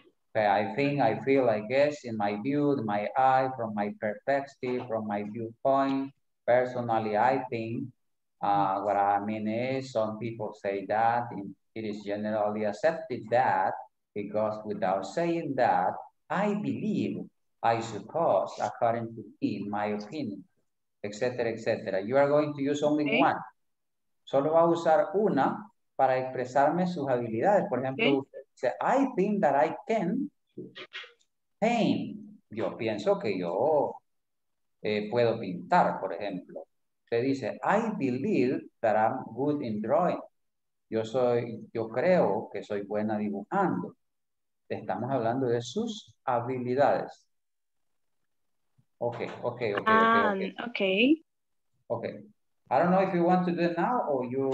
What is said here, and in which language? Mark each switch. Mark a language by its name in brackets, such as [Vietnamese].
[English] Okay, I think, I feel, I guess, in my view, my eye, from my perspective, from my viewpoint, personally, I think, what I mean is, some people say that, it is generally accepted that, it goes without saying that I believe, I suppose, according to me, in my opinion, etc., etc. You are going to use only okay. one. [Spanish] Solo va a usar una para expresarme sus habilidades. Por ejemplo, okay. usted dice, [English] I think that I can paint. [Spanish] Yo pienso que yo puedo pintar, por ejemplo. Usted dice, [English] I believe that I'm good in drawing. [Spanish] Yo creo que soy buena dibujando. Estamos hablando de sus habilidades. Okay, okay, okay, okay. [English] Okay. Okay. I don't know if you want to do it now or you...